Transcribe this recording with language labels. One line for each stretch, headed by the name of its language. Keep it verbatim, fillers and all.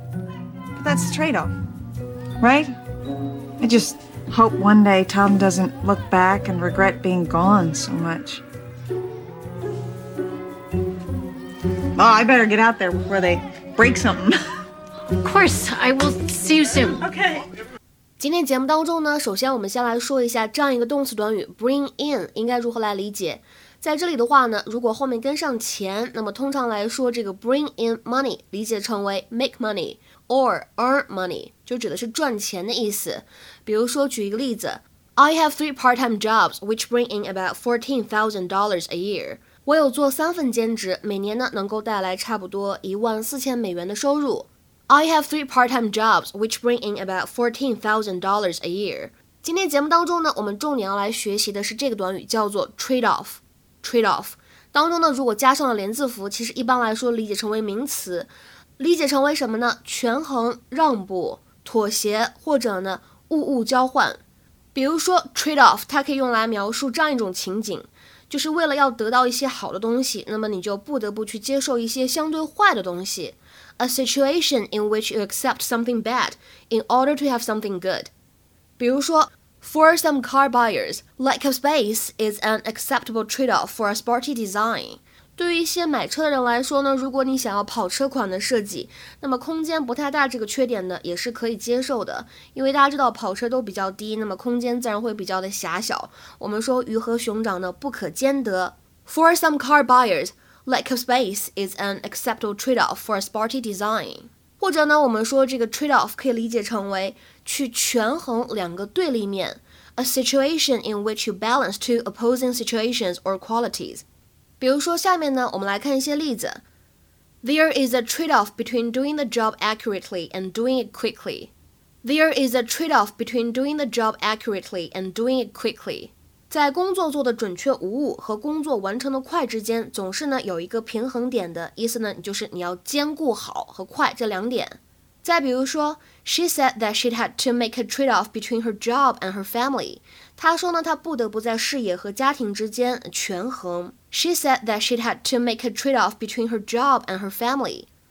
English: But that's the trade-off, right? I just hope one day Tom doesn't look back and regret being gone so much. Oh, I better get out there before they break something. Of course, I will see you soon. Okay.
Chinese: 今天节目当中呢，首先我们先来说一下这样一个动词短语 bring in 应该如何来理解。在这里的话呢，如果后面跟上钱，那么通常来说这个 bring in money 理解成为
English: make money or earn money，
Chinese: 就指的是赚钱的意思。比如说举一个例子
English: ，I have three part-time jobs which bring in about fourteen thousand dollars a year.
Chinese: 我有做三份兼职，每年呢能够带来差不多一万四千美元的收入。
English: I have three part-time jobs which bring in about fourteen thousand dollars a year.
Chinese: 今天节目当中呢，我们重点要来学习的是这个短语，叫做 trade off。 trade off 当中呢，如果加上了连字符，其实一般来说理解成为名词，理解成为什么呢？权衡、让步、妥协，或者呢物物交换。比如说 trade off， 它可以用来描述这样一种情景。就是为了要得到一些好的东西，那么你就不得不去接受一些相对坏的东西。
English: A situation in which you accept something bad in order to have something good.
Chinese: 比如说
English: For some car buyers, lack of space is an acceptable trade-off for a sporty design.
Chinese: 对于一些买车的人来说呢，如果你想要跑车款的设计，那么空间不太大这个缺点呢，也是可以接受的。因为大家知道跑车都比较低，那么空间自然会比较的狭小。我们说鱼和熊掌呢不可兼得。
English: For some car buyers, lack of space is an acceptable trade-off for a sporty design.
Chinese: 或者呢，我们说这个 trade-off 可以理解成为去权衡两个对立面
English: ，a situation in which you balance two opposing situations or qualities。
Chinese: 比如说下面呢，我们来看一些例子。
English: There is a trade-off between doing the job accurately and doing it quickly. There is a trade-off between doing the job accurately and doing it quickly.
Chinese: 在工作做的准确无误和工作完成的快之间，总是呢有一个平衡点的。意思呢，就是你要兼顾好和快这两点。再比如说
English: ，She said that she had to make a trade-off between her job and her family.
Chinese: 她说呢，她不得不在事业和家庭之间权衡。
English: She said that she'd had to make a trade-off between her job and her family.